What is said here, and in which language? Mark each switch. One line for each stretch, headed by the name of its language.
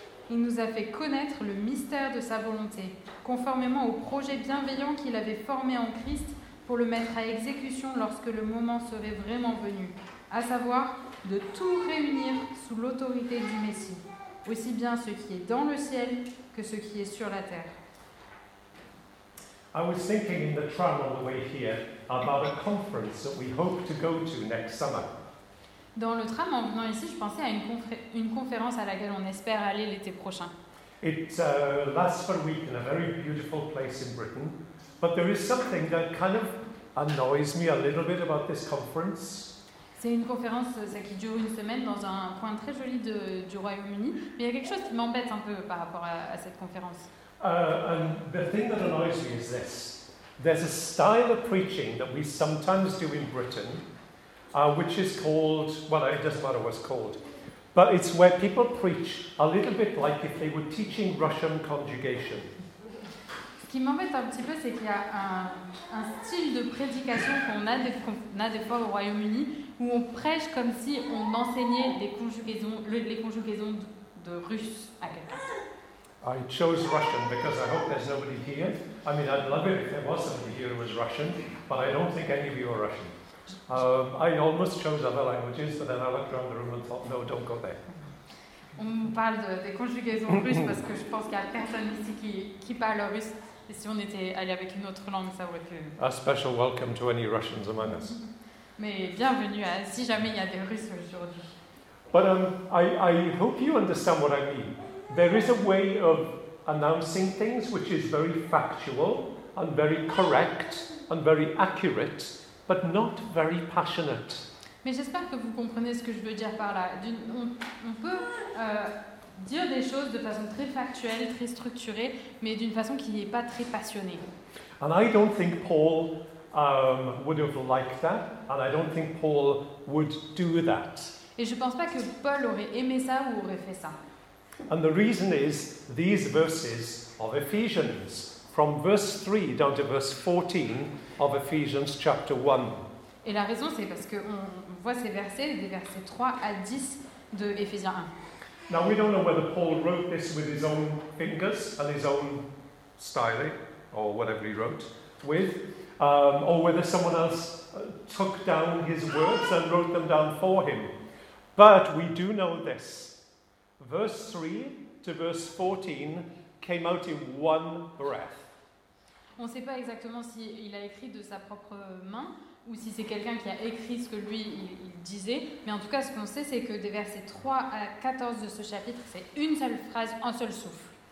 French: Il nous a fait connaître le mystère de sa volonté, conformément au projet bienveillant qu'il avait formé en Christ pour le mettre à exécution lorsque le moment serait vraiment venu, à savoir de tout réunir sous l'autorité du Messie, aussi bien ce qui est dans le ciel que ce qui est sur la terre.
English: I was thinking in the tram on the way here about a conference that we hope to go to next summer.
French: Dans le tram en venant ici, je pensais à une conférence à laquelle on espère aller l'été prochain.
English: It lasts for a week in a very beautiful place in Britain, but there is something that kind of annoys me a little bit about this conference.
French: C'est une conférence qui dure une semaine dans un coin très joli du Royaume-Uni, mais il y a quelque chose qui m'embête un peu par rapport à cette conférence.
English: And the thing that annoys me is this: there's a style of preaching that we sometimes do in Britain. Which is called, well, it doesn't matter what it's called, but it's where people preach a little bit like if they were teaching Russian conjugation.
French: Ce qui m'embête un petit peu, c'est qu'il y a un style de prédication qu'on a des fois au Royaume-Uni où on prêche comme si on enseignait les conjugaisons de russe à quelqu'un.
English: I chose Russian because I hope there's nobody here. I mean, I'd love it if there was somebody here who was Russian, but I don't think any of you are Russian. I almost chose other languages, but then I looked around the room and thought, no, don't go there.
French: On parle des conjugaisons russes parce que je pense qu'il n'y a personne ici qui parle russe. Et si on était allé avec une autre langue, ça aurait pu.
English: A special welcome to any Russians among us.
French: Mais bienvenue à si jamais il y a des Russes aujourd'hui.
English: But I hope you understand what I mean. There is a way of announcing things which is very factual and very correct and very accurate, but not very passionate.
French: Mais j'espère que vous comprenez ce que je veux dire par là. On peut dire des choses de façon très factuelle, très structurée, mais d'une façon qui n'est pas très passionnée.
English: And I don't think Paul would have liked that, and I don't think Paul would do that.
French: Et je ne pense pas que Paul aurait aimé ça ou aurait fait ça.
English: And the reason is these verses of Ephesians. From verse 3 down to verse 14 of Ephesians chapter 1.
French: Et la raison, c'est parce qu'on voit ces versets, des versets 3 à 10 de Éphésiens 1.
English: Now we don't know whether Paul wrote this with his own fingers and his own style, or whatever he wrote with, or whether someone else took down his words and wrote them down for him. But we do know this. Verse 3 to verse 14 came out in one breath.
French: On ne sait pas exactement si il a écrit de sa propre main ou si c'est quelqu'un qui a écrit ce que lui il disait, mais en tout cas ce qu'on sait c'est que des versets 3 à 14 de ce chapitre c'est une seule phrase, un seul souffle.